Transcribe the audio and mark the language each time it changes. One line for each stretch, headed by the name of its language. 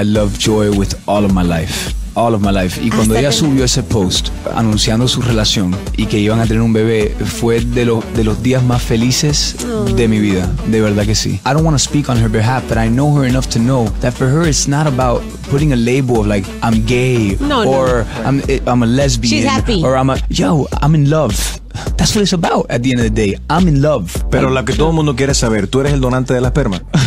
English: I love Joy with all of my life. All of my life.
Spanish: Y cuando ella subió ese post anunciando su relación y que iban a tener un bebé, fue de los días más felices de mi vida. De verdad que sí.
English: I don't want to speak on her behalf, but I know her enough to know that for her it's not about putting a label of like I'm gay I'm a lesbian. She's happy. I'm in love. That's what it's about at the end of the day. I'm in love.
Spanish: Pero lo que todo el mundo quiere saber, ¿tú eres el donante de la esperma?